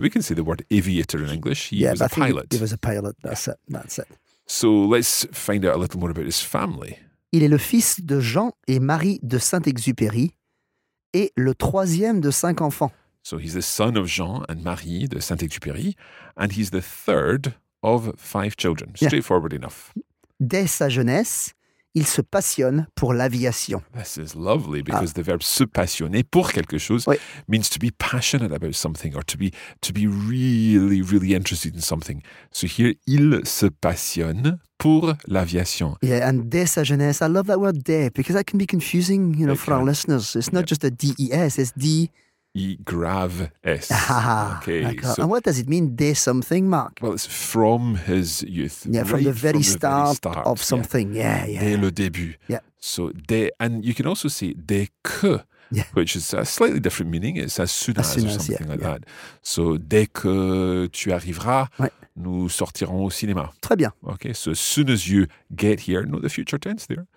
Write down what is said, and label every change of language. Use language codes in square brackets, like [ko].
[en] We can say the word aviator in English. He was a pilot. He was a pilot, that's it. So let's find out a little more about his family. [fr] Il est le fils de Jean et Marie de Saint-Exupéry et le troisième de cinq enfants. [en] So he's the son of Jean and Marie de Saint-Exupéry and he's the third of five children. Straightforward enough. [fr] Dès sa jeunesse, il se passionne pour l'aviation. [en] This is lovely because the verb se passionner pour quelque chose means to be passionate about something or to be really, really interested in something. So here, [fr] il se passionne pour l'aviation. [en] Yeah, and [fr] dès sa jeunesse, [en] I love that word dès because that can be confusing, you know, our listeners. It's not just a D-E-S, it's D-E-Grave-S. Okay. So, and what does it mean, dès something, Marc? Well, it's from his youth. Yeah, right from the very start of something. [fr] Dès le début. [en] Yeah. So, dès, and you can also say dès que, which is a slightly different meaning. It's as soon as, or something like that. [fr] So, dès que tu arriveras, nous sortirons au cinéma. Très bien. [en] Okay, so as soon as you get here, note the future tense there.